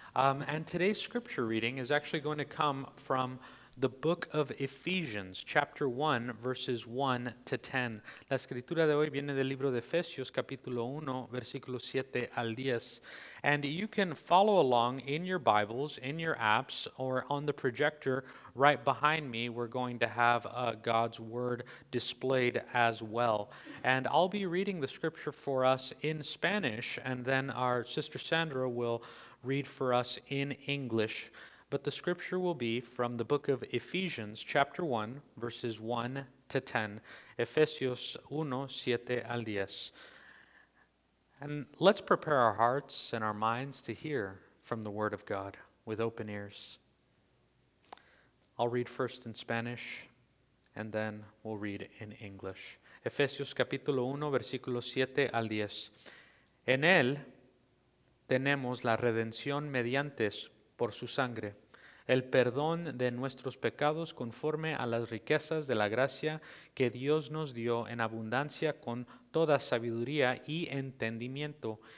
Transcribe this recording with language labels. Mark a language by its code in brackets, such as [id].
[en] And today's scripture reading is actually going to come from the book of Ephesians, chapter 1, verses 1 to 10. [es] La escritura de hoy viene del libro de Efesios, capítulo 1, versículo 7 al 10. [en] And you can follow along in your Bibles, in your apps, or on the projector right behind me. We're going to have God's Word displayed as well. And I'll be reading the scripture for us in Spanish, and then our sister Sandra will read for us in English. But the scripture will be from the book of Ephesians, chapter 1, verses 1 to 10. [es] Efesios 1, 7 al 10. [en] And let's prepare our hearts and our minds to hear from the Word of God with open ears. I'll read first in Spanish, and then we'll read in English. [es] Efesios capítulo 1, versículo 7 al 10. En él tenemos la redención mediante por su sangre, el perdón de nuestros pecados conforme a las riquezas de la gracia que Dios nos dio en abundancia con toda sabiduría y entendimiento.